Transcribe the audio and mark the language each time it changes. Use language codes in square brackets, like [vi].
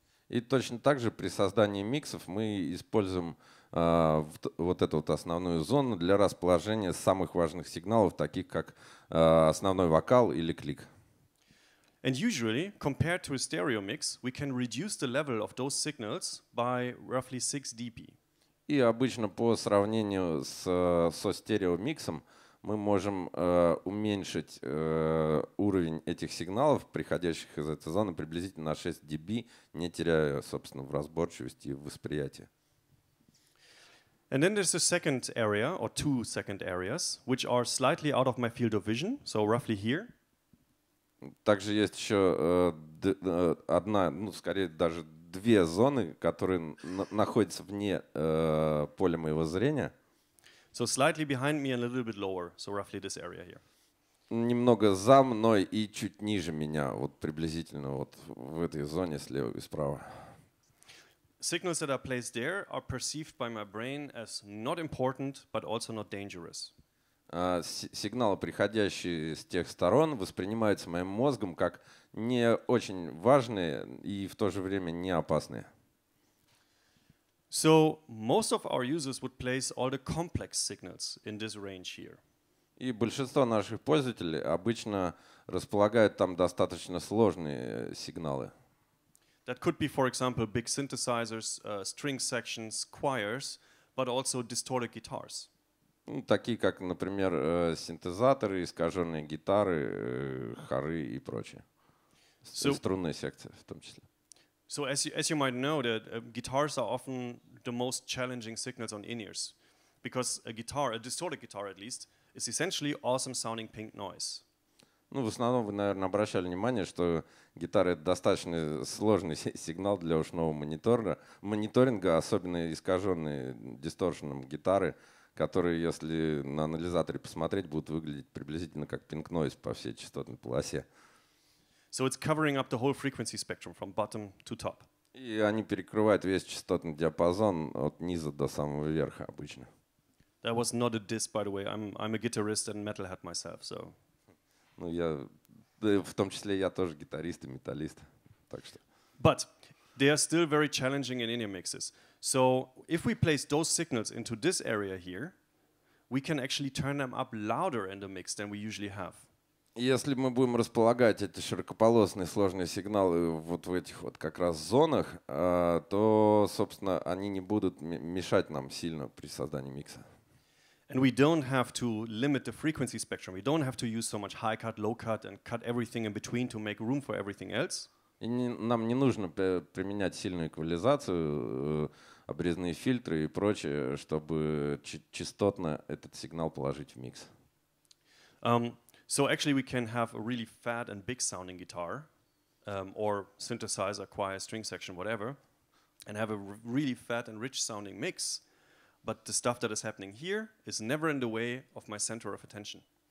[ru] И точно так же при создании миксов мы используем вот эту вот основную зону для расположения самых важных сигналов, таких как основной вокал или клик. [en] And usually, compared to a stereo mix, we can reduce the level of those signals by roughly 6 dB. [ru] И обычно по сравнению со стереомиксом мы можем уменьшить уровень этих сигналов, приходящих из этой зоны, приблизительно на 6 dB, не теряя, собственно, в разборчивости и в восприятии. [en] And then there's a second area, or two second areas, which are slightly out of my field of vision, so roughly here. [ru] Также есть еще одна, ну, скорее даже две зоны, которые находятся вне поля моего зрения. [en] So slightly behind me and a little bit lower, so roughly this area here. [ru] Немного за мной и чуть ниже меня, вот приблизительно вот в этой зоне слева и справа. [en] Signals that are placed there are perceived by my brain as not important, but also not dangerous. [ru] Сигналы, приходящие с тех сторон, воспринимаются моим мозгом как не очень важные и в то же время не опасные. [en] So most of our users would place all the complex signals in this range here. [ru] И большинство наших пользователей обычно располагают там достаточно сложные сигналы. [en] That could be, for example, big synthesizers, string sections, choirs, but also distorted guitars. [ru] Такие как, например, синтезаторы, искаженные гитары, хоры и прочее. Струнная секция в том числе. [en] So as you might know, that guitars are often the most challenging signals on in-ears, because a guitar, a distorted guitar at least, is essentially awesome sounding pink noise. [ru] Ну, в основном вы, наверное, обращали внимание, что гитара — это достаточно сложный сигнал для ушного мониторинга, особенно искаженные дисторшеном гитары, которые, если на анализаторе посмотреть, будут выглядеть приблизительно как pink noise по всей частотной полосе. [en] So it's covering up the whole frequency spectrum from bottom to top. [ru] И они перекрывают весь частотный диапазон от низа до самого верха обычно. [en] That was not a diss, by the way. I'm a guitarist and metalhead myself, so. [ru] Ну, я, да, в том числе, я тоже гитарист и металлист, так что. [en] But they are still very challenging in in-ear mixes. So if we place those signals into this area here, we can actually turn them up louder in the mix than we usually have. [ru] Если мы будем располагать эти широкополосные сложные сигналы вот в этих вот как раз зонах, то, собственно, они не будут мешать нам сильно при создании микса. [en] And we don't have to limit the frequency spectrum. We don't have to use so much high cut, low cut, and cut everything in between to make room for everything else. [ru] И нам не нужно применять сильную эквализацию, обрезные фильтры и прочее, чтобы частотно этот сигнал положить в микс. [en] So actually we can have a really fat and big sounding guitar, or synthesizer, choir, string section, whatever, and have a really fat and rich sounding mix, but the stuff that is happening here is never in the way of my center of attention.